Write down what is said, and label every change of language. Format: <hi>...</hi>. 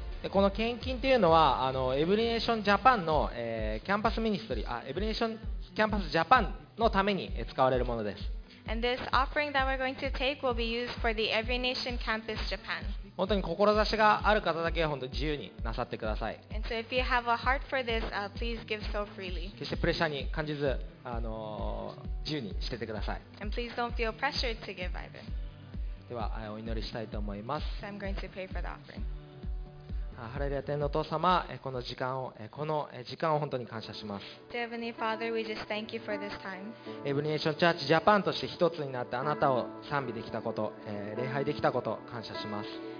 <ja>でこの献金というのはあのエブリネーションジャパンの、キャンパスミニストリー、あ、エブリネーションキャンパスジャパンのために使われるものです。</ja> <en>And this offering that we're going to take will be used for the Every Nation Campus Japan.</en> <ja>本当に志がある方だけは本当に自由になさってください。</ja> <en>And so if you have a heart for this, please give so freely.</en> <ja>決してプレッシャーに感じず、自由にしててください。</ja> <en>And please don't feel pressured to give either.</en> <ja>ではお祈りしたいと思います。</ja> <en>So I'm going to pray for the offering.</en> <ja>ハレルヤ天のお父様、この時間を本当に感謝します。</ja> <en>Father, we just thank you for this time.</en> <ja>エブリネーションチャーチジャパンとして一つになってあなたを賛美できたこと、礼拝できたこと感謝します。</ja>